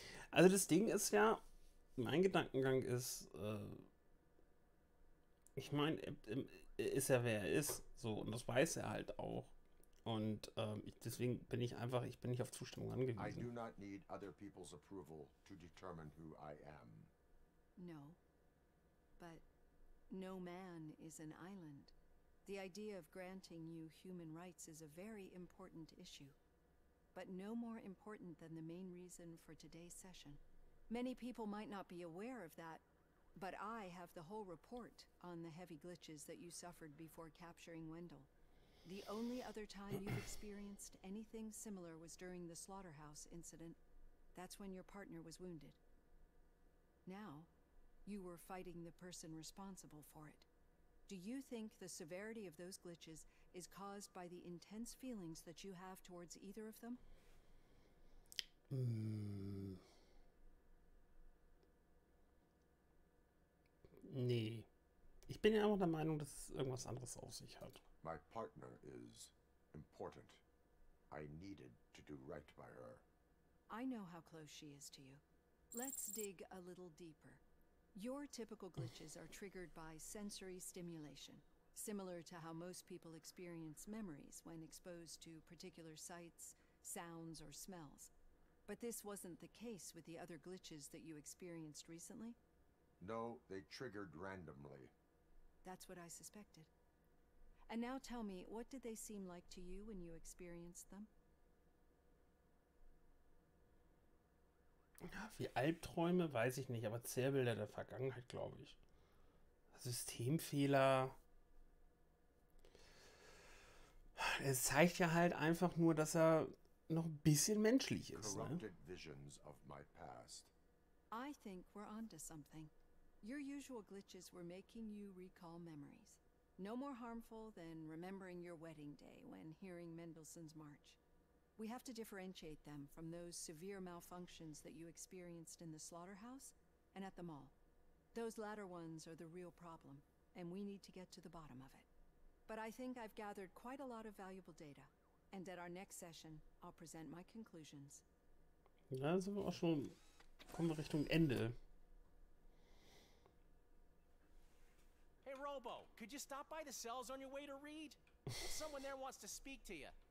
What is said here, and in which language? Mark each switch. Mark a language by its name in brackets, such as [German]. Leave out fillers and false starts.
[German] Also das Ding ist ja, mein Gedankengang ist, ich meine, ist ja wer er ist, so, und das weiß er halt auch. Und deswegen bin ich einfach, ich bin nicht auf Zustimmung angewiesen. [English] I do not need other people's approval to determine who I am. No, but no man is an island. The idea of granting you human rights is a very important issue, but no more important than the main reason for today's session. Many people might not be aware of that, but I have the whole report on the heavy glitches that you suffered before capturing Wendell. The only other time you've experienced anything similar was during the slaughterhouse incident. That's when your partner was wounded. Now, you were fighting the person responsible for it. Do you think the severity of those glitches is caused by the intense feelings that you have towards either of them? [German] Nee. Ich bin ja immer der Meinung, dass es irgendwas anderes auf sich hat. [English] My partner is important. I needed to do right by her. I know how close she is to you. Let's dig a little deeper. Your typical glitches are triggered by sensory stimulation, similar to how most people experience memories when exposed to particular sights, sounds, or smells. But this wasn't the case with the other glitches that you experienced recently? No, they triggered randomly. That's what I suspected. And now tell me, what did they seem like to you when you experienced them? [German] Wie Albträume, weiß ich nicht, aber Zerrbilder der Vergangenheit, glaube ich. Systemfehler. Es zeigt ja halt einfach nur, dass er noch ein bisschen menschlich ist. [English] Corrupted visions of my past. I think we're onto something. Your usual glitches were making you recall memories. No more harmful than remembering your wedding day when hearing Mendelssohn's march. We have to differentiate them from those severe malfunctions that you experienced in the slaughterhouse and at the mall. Those latter ones are the real problem, and we need to get to the bottom of it. But I think I've gathered quite a lot of valuable data, and at our next session, I'll present my conclusions. [German] Ja, dann sind wir auch schon, kommen wir Richtung Ende. [English] Hey Robo, could you stop by the cells on your way to read? Someone there wants to speak to you.